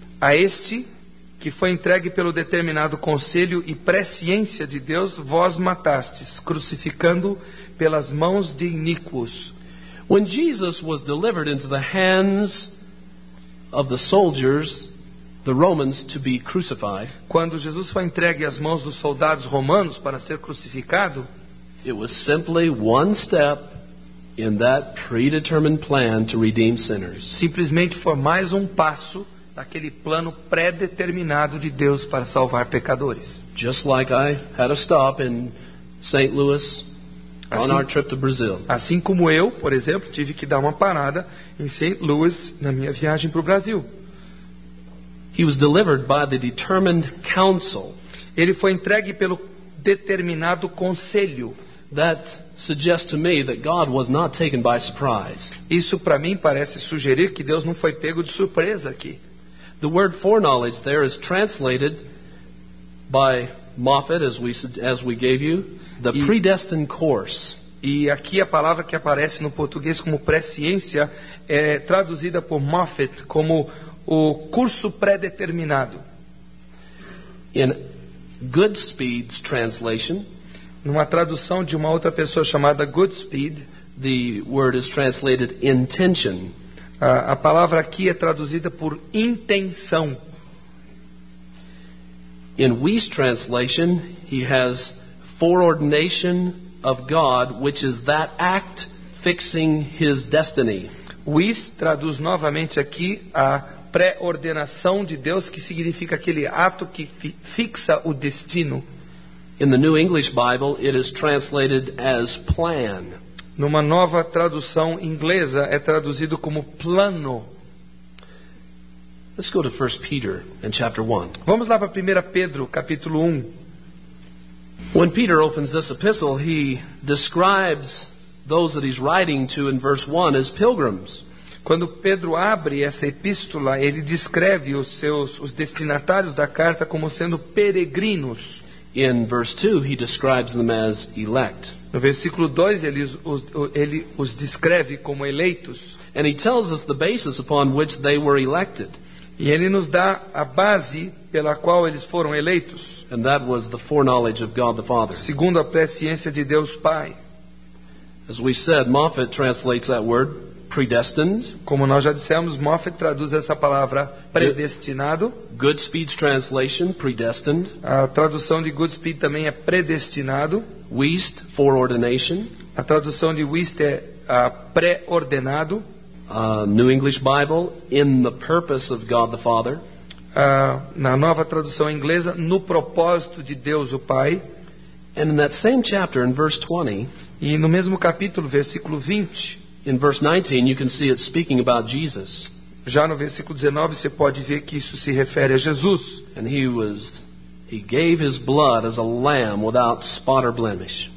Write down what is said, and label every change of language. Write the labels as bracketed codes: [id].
[pt] A este que foi entregue pelo determinado conselho e presciência de Deus, vós matastes, crucificando pelas mãos de iníquos. [en] When Jesus was delivered into the hands of the soldiers, the Romans, to be crucified, [pt] quando Jesus foi entregue às mãos dos soldados romanos para ser crucificado, [en] it was simply one step in that predetermined plan to redeem sinners. [pt] Simplesmente foi mais um passo daquele plano pré-determinado de Deus para salvar pecadores. [en] Just like I had a stop in St. Louis assim, on our trip to Brazil. [pt] Assim como eu, por exemplo, tive que dar uma parada em St. Louis na minha viagem para o Brasil. [en] He was delivered by the determined council. [pt] Ele foi entregue pelo determinado conselho. [en] That suggests to me that God was not taken by surprise. [pt] Isso para mim parece sugerir que Deus não foi pego de surpresa aqui. [en] The word foreknowledge there is translated by Moffat, as we gave you, the predestined course. [pt] E aqui a palavra que aparece no português como presciência é traduzida por Moffat como o curso pré-determinado. [en] In Goodspeed's translation, [pt] numa tradução de uma outra pessoa chamada Goodspeed, [en] the word is translated intention. [pt] A palavra aqui é traduzida por intenção. [en] In Weiss translation, he has foreordination of God, which is that act fixing his destiny. [pt] Weiss traduz novamente aqui a pré-ordenação de Deus, que significa aquele ato que fixa o destino. [en] In the New English Bible, it is translated as plan. [pt] Numa nova tradução inglesa, é traduzido como plano. [en] Let's go to 1 Peter in chapter 1. [pt] Vamos lá para 1 Pedro, capítulo 1. [en] When Peter opens this epistle, he describes those that he's writing to in verse 1 as pilgrims. [pt] Quando Pedro abre essa epístola, ele descreve os destinatários da carta como sendo peregrinos. [en] In verse 2, he describes them as elect. [pt] No versículo 2, ele os descreve como eleitos. [en] And he tells us the basis upon which they were elected. [pt] E ele nos dá a base pela qual eles foram eleitos. [en] And that was the foreknowledge of God the Father. [pt] Segundo a presciência de Deus Pai. [en] As we said, Moffat translates that word predestined. [pt] Como nós já dissemos, Moffat traduz essa palavra predestinado. [en] Goodspeed's translation, predestined. [pt] A tradução de Goodspeed também é predestinado. [en] Weist, foreordination. [pt] A tradução de Weist é pré-ordenado. [en] New English Bible, in the purpose of God the Father. [pt] Na nova tradução inglesa, no propósito de Deus o Pai. [en] And in that same chapter, in verse 20. [pt] E no mesmo capítulo, versículo 20. [en] In verse 19, you can see it speaking about Jesus. [pt] Já no versículo 19, você pode ver que isso se refere a Jesus. [en] And he gave his blood as a lamb without spot or blemish.